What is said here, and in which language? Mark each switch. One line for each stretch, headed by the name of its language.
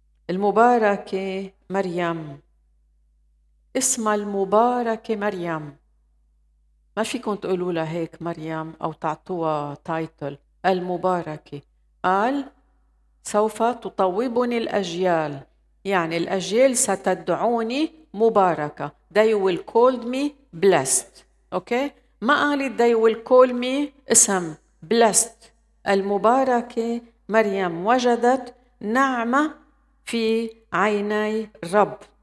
Arabic: المباركة مريم، اسمها المباركة مريم، ما فيكم تقولوا لها هيك مريم أو تعطوها تايتل المباركة. قال سوف تطوبني الأجيال، يعني الأجيال ستدعوني مباركة.
English: They will call me blessed.
Arabic: أوكي؟ ما قالت
English: they will call me
Arabic: اسم
English: blessed.
Arabic: المباركة مريم وجدت نعمة في عيني الرب.